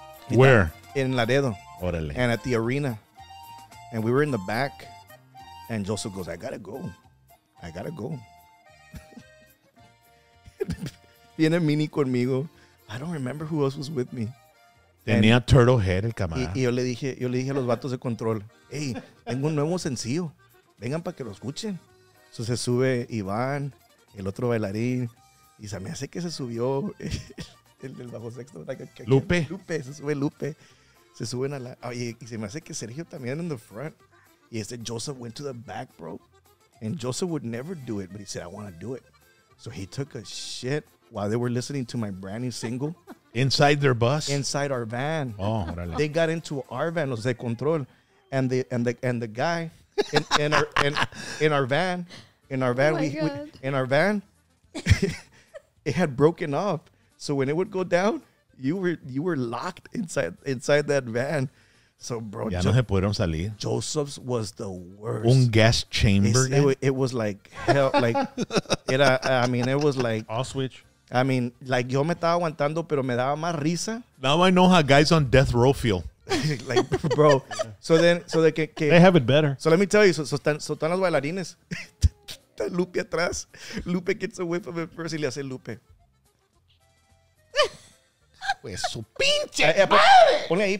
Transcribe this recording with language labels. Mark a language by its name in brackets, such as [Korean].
[English] Where? In Laredo. [Spanish] Orale. [English] And at the arena. And we were in the back. And Joseph goes, I gotta go. [Spanish] Viene Mini conmigo. [English] I don't remember who else was with me. [Spanish] Tenía and turtle head el camarada. Y yo le dije a los vatos de control, hey, tengo un nuevo sencillo. Vengan para que lo escuchen. So se sube Iván, el otro bailarín. Y se me hace que se subió el del bajo sexto. Lupe. Lupe, se sube Lupe. Se suben a la... Oh, y se me hace que Sergio también en the front. [English] Y este Joseph went to the back, bro. And Joseph would never do it, but he said, I want to do it. So he took a shit. While they were listening to my brand new single. Inside their bus? Inside our van. Oh, orale. They got into our van, los de control. And the guy in our van it had broken off. So when it would go down, you were locked inside that van. So bro, [Spanish] ya no se pudieron salir. [English] Joseph's was the worst. Un gas chamber. It was like hell, like it was like all switch. [Spanish] I mean, like, yo me estaba aguantando, pero me daba más risa. [English] Now I know how guys on death row feel. Like, bro. Yeah. So then. They have it better. [Spanish] So let me tell you. So están los bailarines. Está Lupe atrás. [English] Lupe gets a whiff of it first y le hace Lupe. [Spanish] Pues su pinche madre.